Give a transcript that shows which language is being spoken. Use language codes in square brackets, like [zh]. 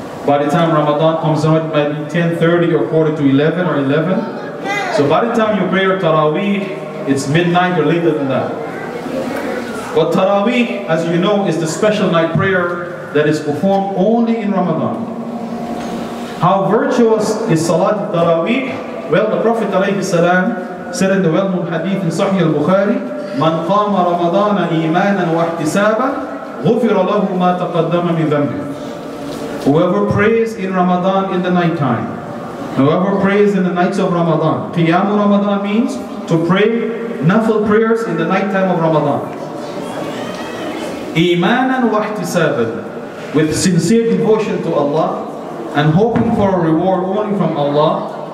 [en] By the time Ramadan comes on, it might be 10:30 or quarter to 11 or 11. So by the time you pray your Taraweeh, it's midnight or later than that. But Taraweeh, as you know, is the special night prayer that is performed only in Ramadan. How virtuous is Salat Taraweeh? Well, the Prophet ﷺ said in the well-known hadith in Sahih al-Bukhari, [ar] مَنْ قَامَ رَمَضَانَ إِيمَانًا وَاحْتِسَابًا غُفِرَ لَهُ مَا تَقَدَّمَ مِنْ ذَنْبِهِ. [en] Whoever prays in Ramadan in the night time, whoever prays in the nights of Ramadan. Qiyamu Ramadan means to pray nafil prayers in the night time of Ramadan. [ar] Imanan wa ihtisaban, [en] with sincere devotion to Allah and hoping for a reward only from Allah.